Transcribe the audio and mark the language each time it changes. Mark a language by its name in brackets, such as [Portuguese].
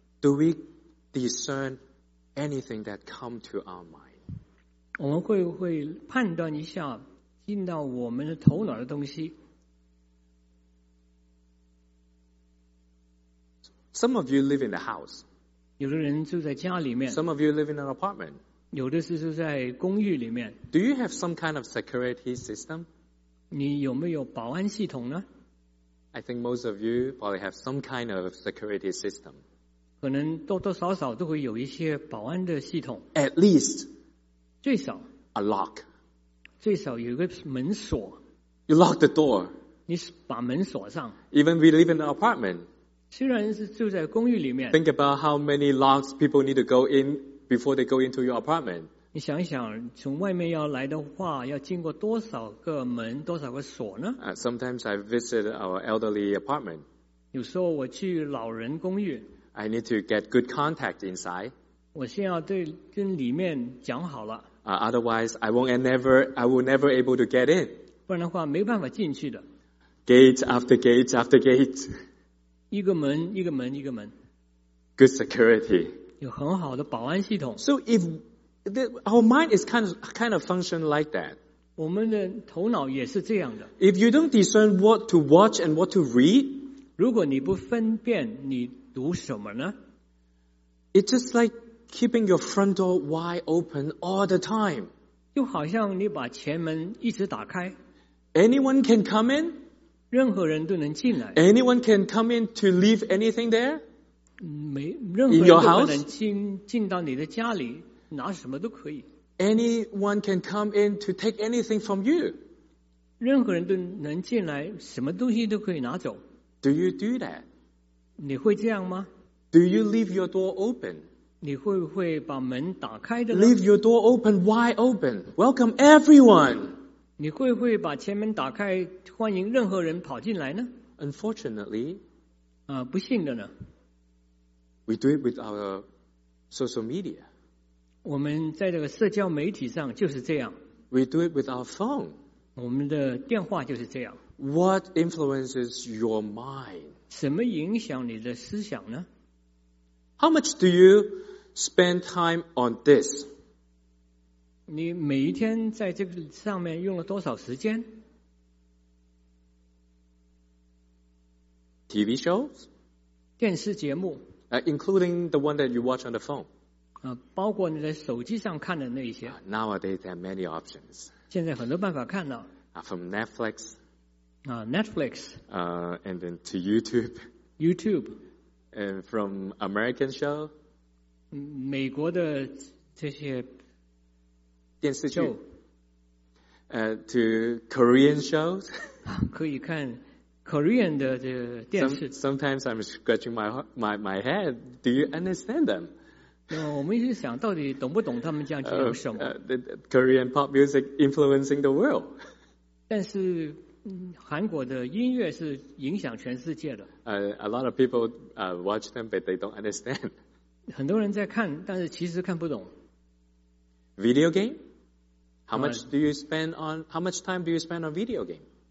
[English] Do we discern anything that comes to our mind? [Chinese] 我们会判断一下进到我们的头脑的东西。 [English] Some of you live in the house. [Chinese] 有的人住在家里面。 [English] Some of you live in an apartment. [Chinese] 有的是住在公寓里面。 [English] Do you have some kind of security system? [Chinese] 你有没有保安系统呢？ [English] I think most of you probably have some kind of security system. [Chinese] 可能多多少少都会有一些保安的系统。 [English] At least, [Chinese] 最少 [English] a lock. [Chinese] 最少有一个门锁。 [English] You lock the door. [Chinese] 你把门锁上。 [English] Even we live in an apartment. [Chinese] 虽然是住在公寓里面。 [English] Think about how many locks people need to go in before they go into your apartment. [Chinese] 你想一想，从外面要来的话，要经过多少个门，多少个锁呢？ [English] Sometimes I visit our elderly apartment. [Chinese] 有时候我去老人公寓。 [English] I need to get good contact inside. [Chinese] 我先要对跟里面讲好了。 [English] Otherwise, I will never able to get in. [Chinese] 不然的话，没办法进去的。 [English] Gate after gate after gate. [Chinese] 一个门，一个门，一个门。 [English] Good security. [Chinese] 有很好的保安系统。 [English] So if our mind is kind of function like that. [Chinese] 我们的头脑也是这样的。 [English] If you don't discern what to watch and what to read. [Chinese] 如果你不分辨你读什么呢？ [English] It's just like,keeping your front door wide open all the time. [Chinese] 就好像你把前门一直打开。 [English] Anyone can come in? [Chinese] 任何人都能进来。 [English] Anyone can come in to leave anything there? [Chinese] 没，任何人都不能进到你的家里，拿什么都可以。 [English] Anyone can come in to take anything from you? [Chinese] 任何人都能进来，什么东西都可以拿走。 [English] Do you do that? [Chinese] 你会这样吗？ [English] Do you leave your door open? [Chinese] 你会不会把门打开的呢？ [English] Leave your door open, wide open. Welcome everyone. [Chinese] 你会不会把前门打开，欢迎任何人跑进来呢？ [English] Unfortunately, [Chinese] 不幸的呢。 [English] We do it with our social media. [Chinese] 我们在这个社交媒体上就是这样。 [English] We do it with our phone. [Chinese] 我们的电话就是这样。 [English] What influences your mind? [Chinese] 什么影响你的思想呢？ [English] How much do you spend time on this? [Chinese] 你每一天在这个上面用了多少时间？ [English] TV shows? [Chinese] 电视节目。 [English] Including the one that you watch on the phone. [Chinese] 包括你在手机上看的那一些。 [English] Nowadays there are many options. [Chinese] 现在很多办法看到。 [English] from Netflix. Netflix. And then to YouTube. YouTube. And from American show. [Chinese] 美国的这些电视剧。 [English] To Korean shows. [Chinese] 可以看 Korean 的这电视。 [English] Sometimes I'm scratching my head. Do you understand them? [Chinese] 我们一直想到底懂不懂他们这样讲什么。 [English] Korean pop music influencing the world. [Chinese] 但是韩国的音乐是影响全世界的。 [English] A lot of people watch them, but they don't understand. [Chinese] 很多人在看，但是其实看不懂。 [English] Video game? How much time do you spend on video game?